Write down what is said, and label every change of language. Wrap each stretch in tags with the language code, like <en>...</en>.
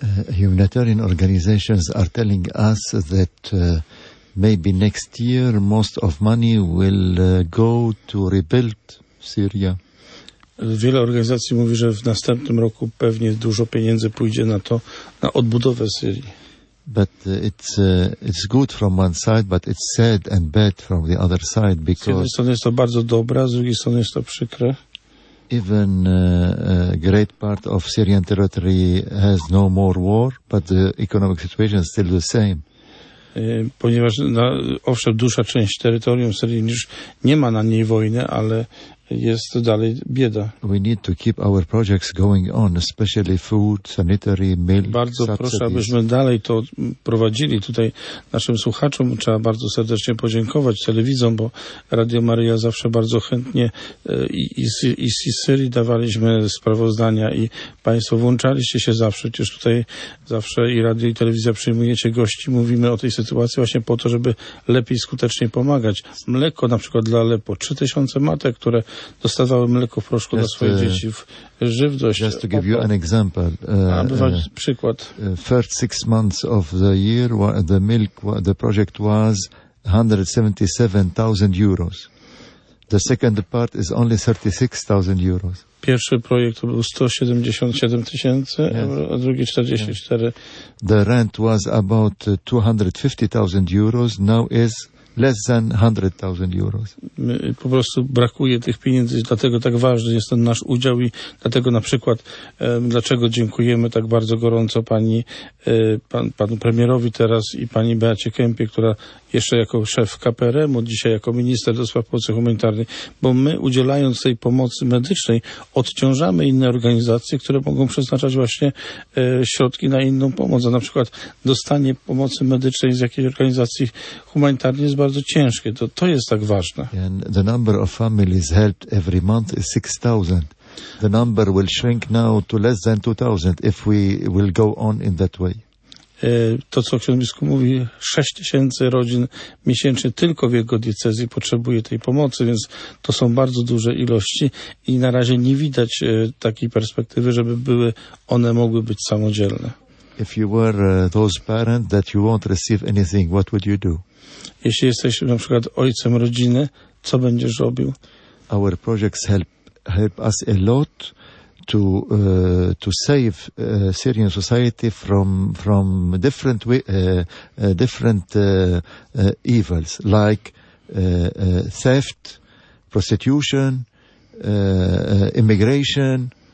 <en>humanitarian organizations are telling us that maybe next year most of money will go to rebuild Syria.</en> <pl>Wiele organizacji mówi, że w następnym roku pewnie dużo pieniędzy pójdzie na to, na odbudowę Syrii.</pl> <en>But it's good from one side, but it's sad and bad from the other side, because</en> <pl>z jednej strony jest to bardzo dobre, z drugiej strony jest to przykre.</pl> <en>Even great part of Syrian territory has no more war, but the economic situation is still the same.</en> <pl>Ponieważ, no, owszem, duża część terytorium Syrii już nie ma na niej wojny, ale jest dalej bieda.</pl> <en>We need to keep our projects going on, especially food, sanitary, milk.</en> <pl>Bardzo</pl> <en>subsidies.</en> <pl>Proszę, abyśmy dalej to prowadzili. Tutaj naszym słuchaczom trzeba bardzo serdecznie podziękować, telewidzom, bo Radio Maryja zawsze bardzo chętnie i z Syrii dawaliśmy sprawozdania i państwo włączaliście się zawsze. Przecież tutaj zawsze i radio, i telewizja przyjmujecie gości. Mówimy o tej sytuacji właśnie po to, żeby lepiej skutecznie pomagać. Mleko na przykład dla Aleppo. 3000 matek, które dostawały mleko w proszku dla swoich dzieci, w żywność.</pl> <en>Just to give you an example.</en> <pl>Przykład.</pl> <en>First 6 months of the year, the project was 177,000 euros. The second part is only 36,000 euros.</en> <pl>Pierwszy projekt to był 177 tysięcy, a drugi 44.</pl> <en>The rent was about 250,000 euros, now is less than 100,000 euros.</en> <pl>Po prostu brakuje tych pieniędzy, dlatego tak ważny jest ten nasz udział i dlatego na przykład dlaczego dziękujemy tak bardzo gorąco pani, panu premierowi teraz i pani Beacie Kempie, która jeszcze jako szef KPRM-u, dzisiaj jako minister do spraw pomocy humanitarnej, bo my udzielając tej pomocy medycznej odciążamy inne organizacje, które mogą przeznaczać właśnie środki na inną pomoc, a na przykład dostanie pomocy medycznej z jakiejś organizacji humanitarnej jest bardzo ciężkie, to jest tak ważne.</pl> <en>And the number of families helped every month is 6,000. The number will shrink now to less than 2,000 if we will go on in that way.</en> <pl>To, co ksiądz biskup mówi, 6 tysięcy rodzin miesięcznie tylko w jego diecezji potrzebuje tej pomocy, więc to są bardzo duże ilości i na razie nie widać takiej perspektywy, żeby były one mogły być samodzielne.</pl> <en>If you were those parents that you won't receive anything, what would you do?</en> <pl>Jeśli jesteś na przykład ojcem rodziny, co będziesz robił?</pl> <en>Our projects help us a lot to save Syrian society from different different evils like theft, prostitution, immigration.</en>